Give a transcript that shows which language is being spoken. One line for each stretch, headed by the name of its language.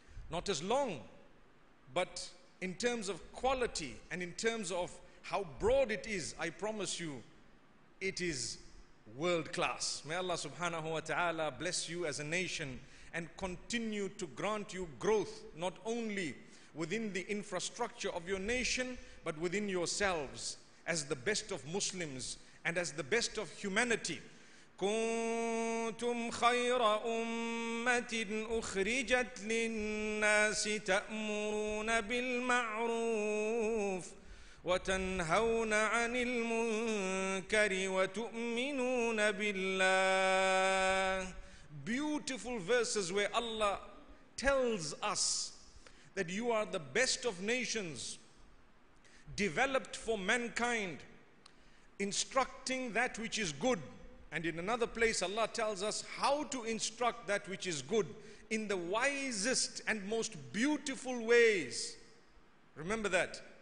English: Not as long, but in terms of quality and in terms of how broad it is, I promise you, it is world class. May Allah subhanahu wa ta'ala bless you as a nation and continue to grant you growth, not only within the infrastructure of your nation, but within yourselves as the best of Muslims and as the best of humanity.
Arabic: كنتم خير أمة أخرجت للناس تأمرون بالمعروف وتنهون عن المنكر وتؤمنون بالله.
English: Beautiful verses where Allah tells us that you are the best of nations, developed for mankind, instructing that which is good. And in another place Allah tells us how to instruct that which is good in the wisest and most beautiful ways. Remember that.